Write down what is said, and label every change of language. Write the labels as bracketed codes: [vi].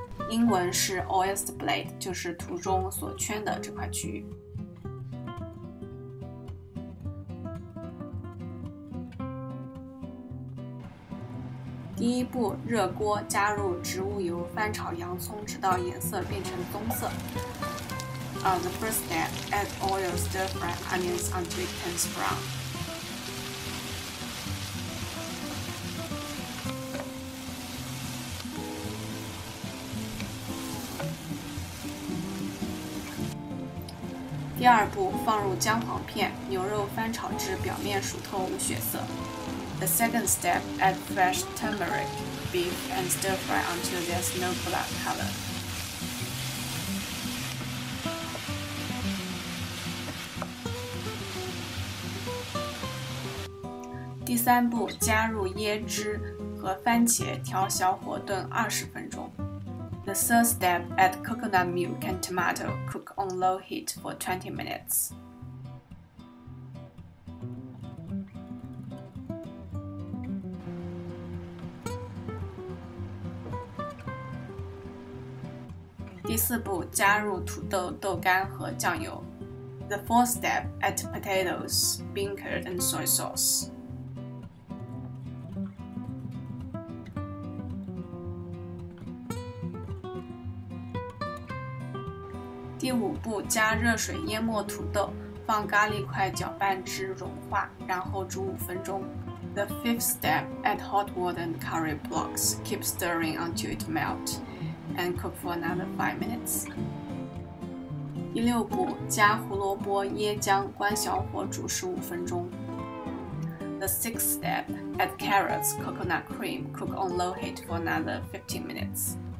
[zh] 英文是 oyster blade， 就是图中所圈的这块区域。第一步，热锅加入植物油，翻炒洋葱，直到颜色变成棕色。 [en] The first step, add oil, stir fry onions until it turns brown. [zh] 第二步，放入姜黄片，牛肉翻炒至表面熟透无血色。 [en] The second step, add fresh turmeric, beef and stir fry until there's no blood color. [zh] 第三步，加入椰汁和番茄，调小火炖20分钟。 [en] The third step, add coconut milk and tomato, cook on low heat for 20 minutes. [zh] 第四步，加入土豆、豆干和酱油。 [en] The fourth step, add potatoes, bean curd and soy sauce. [zh] 第五步，加热水淹没土豆，放咖喱块搅拌至融化，然后煮5分钟。 [en] The fifth step, add hot water and curry blocks. Keep stirring until it melts and cook for another 5 minutes. [zh] 第六步，加胡萝卜、椰浆，关小火煮15分钟。 [en] The sixth step, add carrots, coconut cream, cook on low heat for another 15 minutes.